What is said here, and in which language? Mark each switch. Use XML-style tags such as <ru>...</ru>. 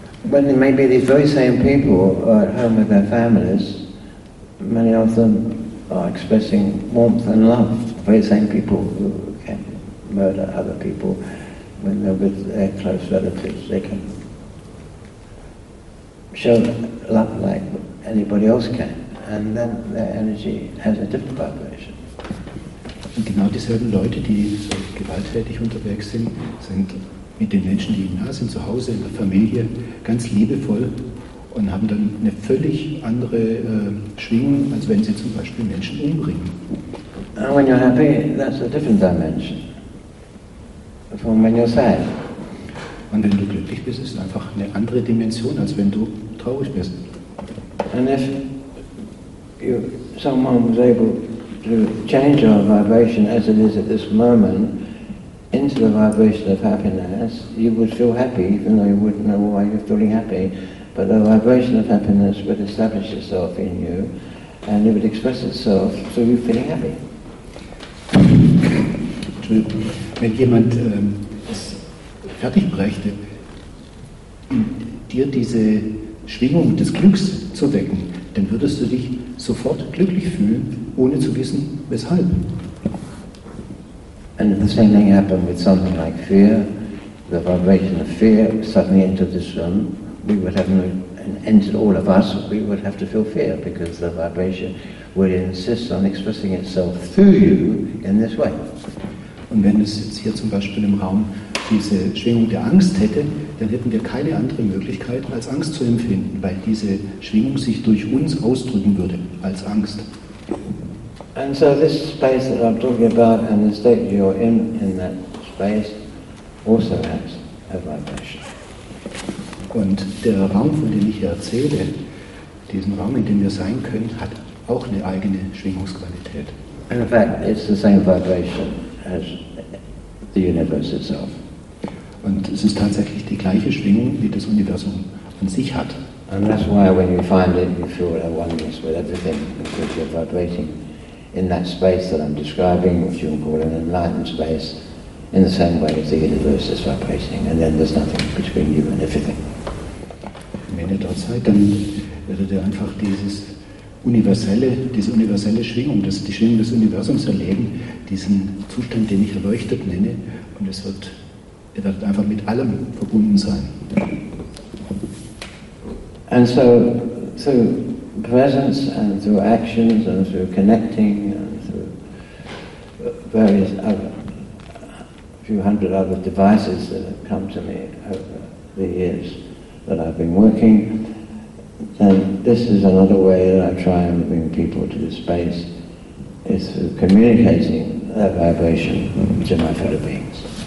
<en>When maybe these very same people are at home with their families, many of them are expressing warmth and love. The very same people who can murder other people when they're with their close relatives, they can show love like anybody else can, and then their energy has a different vibration.</en> <de>Und genau dieselben Leute, die so gewalttätig unterwegs sind, sind mit den Menschen, die nah sind, zu Hause, in der Familie, ganz liebevoll und haben dann eine völlig andere Schwingung, als wenn sie zum Beispiel Menschen umbringen.</de> <en>And when you're happy, that's a different dimension from when you're sad.</en> <de>Und wenn du glücklich bist, ist es einfach eine andere Dimension, als wenn du traurig bist.</de> <en>And if you, someone was able to change our vibration as it is at this moment into the vibration of happiness, you would feel happy, even though you wouldn't know why you're feeling happy. But the vibration of happiness would establish itself in you, and it would express itself through you feeling happy.</en> <de>Wenn jemand es fertig brächte, in dir diese Schwingung des Glücks zu wecken, dann würdest du dich sofort glücklich fühlen, ohne zu wissen, weshalb.</de> <en>And if the same thing happened with something like fear, the vibration of fear suddenly entered this room, we would have no, and entered all of us, we would have to feel fear, because the vibration would insist on expressing itself through you in this way.</en> <de>Und wenn es jetzt hier zum Beispiel im Raum diese Schwingung der Angst hätte, dann hätten wir keine andere Möglichkeit, als Angst zu empfinden, weil diese Schwingung sich durch uns ausdrücken würde, als Angst.</de> <en>And so this space that I'm talking about and the state you're in that space also has a vibration.</en> <de>Und der Raum, von dem ich hier erzähle, diesen Raum, in dem wir sein können, hat auch eine eigene Schwingungsqualität.</de> <en>In fact, it's the same vibration as the universe itself.</en> <de>Und es ist tatsächlich die gleiche Schwingung, wie das Universum an sich hat.</de> <en>And that's why when you find it, you feel at oneness with everything, because you're vibrating in that space that I'm describing, which you can call an enlightened space, in the same way as the universe is vibrating, and then there's nothing between you and everything.</en> <de>Wenn ihr dort seid, dann werdet ihr einfach diese universelle Schwingung, das die Schwingung des Universums erleben, diesen Zustand, den ich erleuchtet nenne, und es wird, ihr werdet einfach mit allem verbunden sein.</de> <en>And so, through presence and through actions and through connecting and through various other, few hundred other devices that have come to me over the years that I've been working, then this is another way that I try and bring people to this space, is through communicating that vibration to my fellow beings.</en>